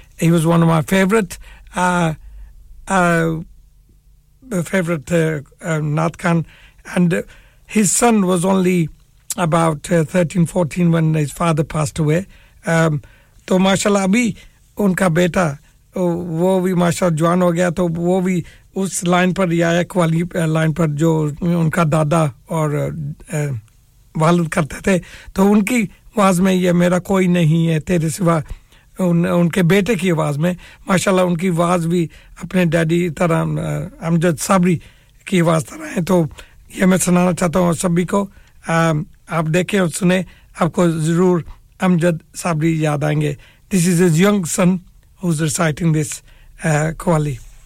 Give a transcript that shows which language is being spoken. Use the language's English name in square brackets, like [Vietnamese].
[English] He was one of my favorite Nath Khan, and his son was only about 13-14 when his father passed away. [Urdu] To mashallah abhi unka beta wo bhi mashallah jawan ho gaya, to wo bhi us line par aaya kuali line par jo unka dada aur والد کرتے تھے. تو ان کی آواز میں یہ میرا کوئی نہیں ہے تیرے سوا, ان کے بیٹے کی آواز میں ماشاءاللہ ان کی آواز بھی اپنے ڈیڈی طرح امجد صابری کی آواز طرح ہیں. تو یہ میں سنانا چاہتا ہوں سب بھی کو, آپ دیکھیں اور سنیں, آپ کو ضرور امجد صابری یاد آئیں گے. [English] This is his young son who's reciting this qawwali.